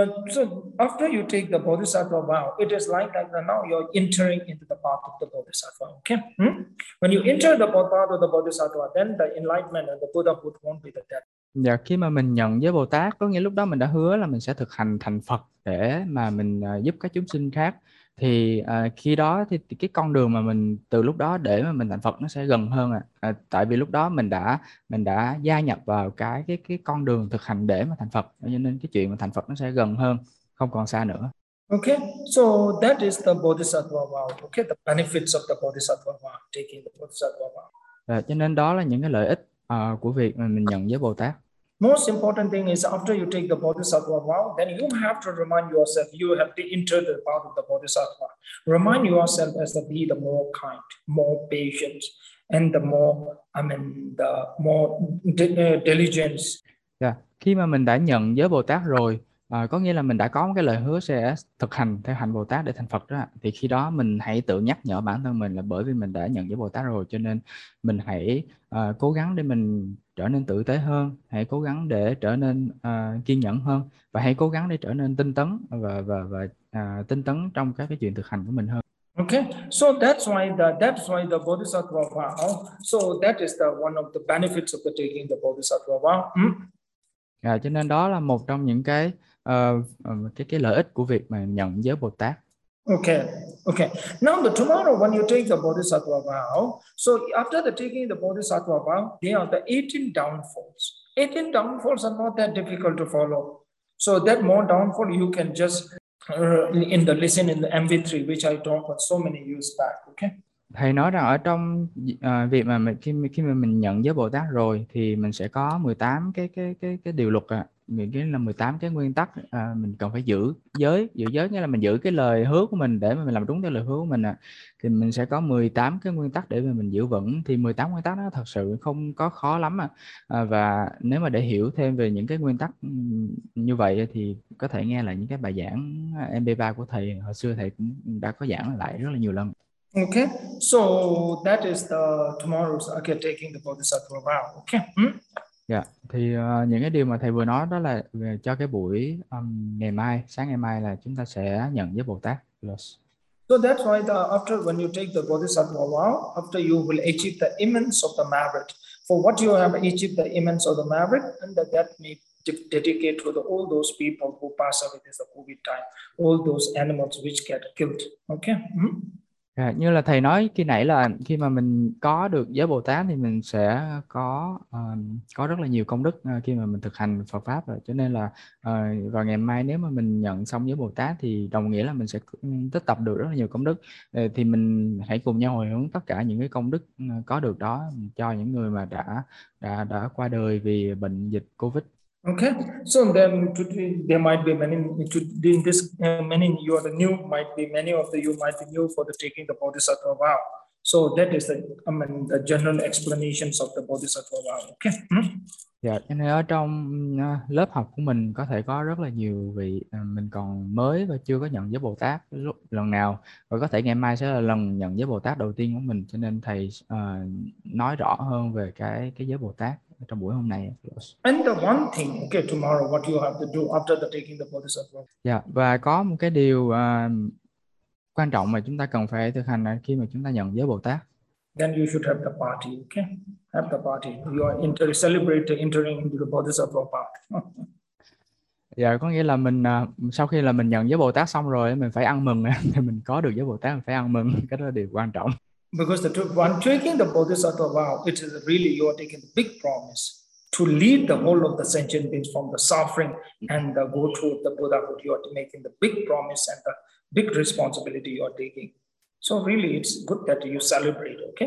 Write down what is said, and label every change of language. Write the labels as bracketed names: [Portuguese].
[English] So after you take the Bodhisattva vow, it is like that now you're entering into the path of the Bodhisattva. Okay? Hmm? When you enter the path of the Bodhisattva, then the enlightenment and the Buddhahood won't be the death. [Vietnamese] Dạ, khi mà mình nhận giới Bồ Tát có nghĩa lúc đó mình đã hứa là mình sẽ thực hành thành Phật để mà mình giúp các chúng sinh khác, thì khi đó thì cái con đường mà mình từ lúc đó để mà mình thành Phật nó sẽ gần hơn tại vì lúc đó mình đã gia nhập vào cái con đường thực hành để mà thành Phật, cho nên cái chuyện mà thành Phật nó sẽ gần hơn, không còn xa nữa. [English] Okay, so that is the Bodhisattva vow. Okay, the benefits of the Bodhisattva vow, taking the Bodhisattva vow. [Vietnamese] Dạ, cho nên đó là những cái lợi ích của việc mình nhận giới Bồ Tát. [English] Most important thing is after you take the Bodhisattva vow, then you have to remind yourself, you have to enter the path of the Bodhisattva. Remind yourself as to be the more kind, more patient, and the more diligence. Yeah. [Vietnamese] Khi mà mình đã nhận giới Bồ Tát rồi, có nghĩa là mình đã có một cái lời hứa sẽ thực hành theo hạnh Bồ Tát để thành Phật đó, thì khi đó mình hãy tự nhắc nhở bản thân mình là bởi vì mình đã nhận giới Bồ Tát rồi, cho nên mình hãy cố gắng để mình trở nên tử tế hơn, hãy cố gắng để trở nên kiên nhẫn hơn, và hãy cố gắng để trở nên tinh tấn và tinh tấn trong các cái chuyện thực hành của mình hơn. [English] Okay, so that's why the Bodhisattva vow. So that is the one of the benefits of the taking the Bodhisattva vow. Mm? Yeah, [Vietnamese] cho nên đó là một trong những cái lợi ích của việc mà nhận giới Bồ Tát. [English] Okay. Now the tomorrow when you take the Bodhisattva vow, so after the taking the Bodhisattva vow, there are the 18 downfalls. 18 downfalls are not that difficult to follow. So that more downfall you can just in the lesson in the MV3, which I talked about so many years back. Okay. [Vietnamese] Thầy nói rằng ở trong việc mà mình, khi mà mình nhận giới Bồ Tát rồi thì mình sẽ có 18 cái điều luật ạ. Nghĩa là 18 cái nguyên tắc mình cần phải giữ giới. Giữ giới nghĩa là mình giữ cái lời hứa của mình để mà mình làm đúng theo lời hứa của mình ạ. Thì mình sẽ có 18 cái nguyên tắc để mà mình giữ vững. Thì 18 nguyên tắc đó thật sự không có khó lắm ạ. Và nếu mà để hiểu thêm về những cái nguyên tắc như vậy thì có thể nghe lại những cái bài giảng MP3 của thầy. Hồi xưa thầy cũng đã có giảng lại rất là nhiều lần. [English] Okay, so that is the tomorrow's okay, taking the Bodhisattva vow. Okay. [Vietnamese] Dạ, thì những cái điều mà thầy vừa nói đó là về cho cái buổi ngày mai, sáng ngày mai là chúng ta sẽ nhận với Bồ Tát. [English] Plus. So that's why the after when you take the Bodhisattva vow, after you will achieve the immense of the merit. For what you have achieved the immense of the merit, and that may dedicate to the, all those people who pass away this COVID time, all those animals which get killed. Okay. [Vietnamese] Dạ, như là thầy nói khi nãy là khi mà mình có được giới Bồ Tát thì mình sẽ có rất là nhiều công đức khi mà mình thực hành Phật pháp rồi, cho nên là vào ngày mai nếu mà mình nhận xong giới Bồ Tát thì đồng nghĩa là mình sẽ tích tập được rất là nhiều công đức, thì mình hãy cùng nhau hồi hướng tất cả những cái công đức có được đó cho những người mà đã qua đời vì bệnh dịch COVID. [English] Okay, so then there might be many doing this. Many you are the new might be many of the you might be new for the taking the Bodhisattva vow. So that is the I mean the general explanations of the Bodhisattva vow. Okay. [Vietnamese] Dạ, cho nên ở trong lớp học của mình có thể có rất là nhiều vị mình còn mới và chưa có nhận giới Bồ Tát lúc lần nào, và có thể ngày mai sẽ là lần nhận giới Bồ Tát đầu tiên của mình, cho nên thầy nói rõ hơn về cái giới Bồ Tát trong buổi hôm nay. [English] And the one thing, okay, tomorrow, what you have to do after the taking the Bodhisattva. [Vietnamese] Dạ, và có một cái điều quan trọng mà chúng ta cần phải thực hành khi mà chúng ta nhận giới Bồ Tát. [English] Then you should have the party, okay? Have the party. You are inter celebrate the entering into the Bodhisattva path. [Vietnamese] Dạ, có nghĩa là mình sau khi là mình nhận giới Bồ Tát xong rồi mình phải ăn mừng, thì mình có được giới Bồ Tát mình phải ăn mừng, cái đó là điều quan trọng. [English] Because the one taking the Bodhisattva vow, it is really you are taking the big promise. To lead the whole of the sentient beings from the suffering and the go through the Buddhahood, you are making the big promise and the big responsibility you are taking. So really, it's good that you celebrate, okay?